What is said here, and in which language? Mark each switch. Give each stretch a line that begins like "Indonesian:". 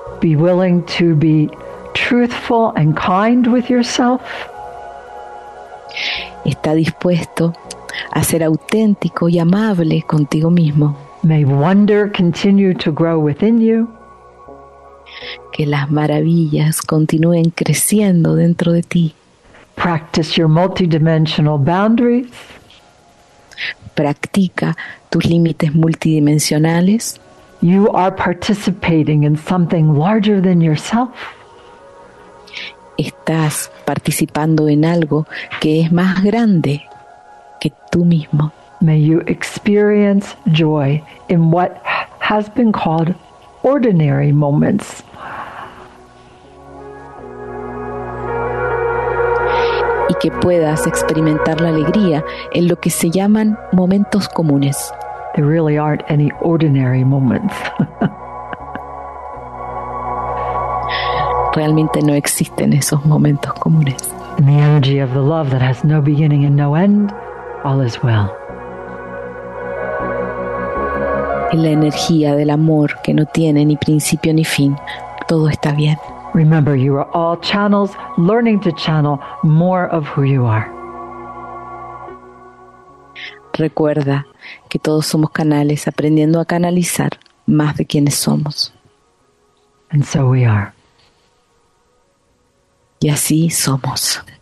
English: Be willing to be truthful and kind with yourself.
Spanish: Está dispuesto a ser auténtico y amable contigo mismo.
English: May wonder continue to grow within you.
Spanish: Que las maravillas continúen creciendo dentro de ti.
English: Practice your multidimensional boundaries.
Spanish: Practica tus límites multidimensionales.
English: You are participating in something larger than yourself.
Spanish: Estás participando en algo que es más grande que tú mismo.
English: May you experience joy in what has been called ordinary moments.
Spanish: Y que puedas experimentar la alegría en lo que se llaman momentos comunes.
English: There really aren't any ordinary moments.
Spanish: Realmente no existen esos momentos comunes.
English: In the energy of the love that has no beginning and no end, all is well.
Spanish: En la energía del amor que no tiene ni principio ni fin, todo está bien. todo está bien.
English: Remember, you are all channels learning to channel more of who you are.
Spanish: Recuerda que todos somos canales aprendiendo a canalizar más de quienes somos.
English: And so we are.
Spanish: Y así somos.